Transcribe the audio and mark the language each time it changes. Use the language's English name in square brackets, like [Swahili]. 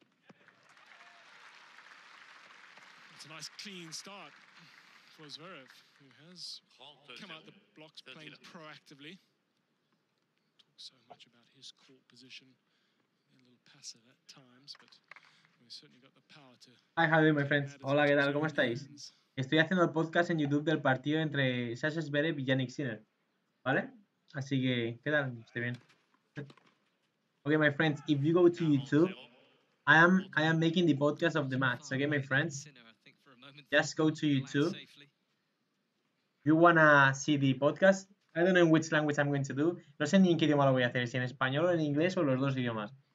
[English] It's a nice clean start for Zverev, who has come out the blocks playing proactively. So much about his court position, a little passive at times, but we've certainly got the power to... Hi, Javi, my friends. [Spanish] Hola, ¿qué tal? ¿Cómo estáis? Estoy haciendo el podcast en YouTube del partido entre Sasha Zverev y Jannik Sinner, ¿vale? Así que, ¿qué tal? Estoy bien. [English] Okay, my friends, if you go to YouTube, I am making the podcast of the match. Okay, my friends, just go to YouTube. You wanna see the podcast? I don't know in which language I'm going to do. [Spanish] No sé ni en qué idioma lo voy a hacer, si en español o en inglés o los dos idiomas.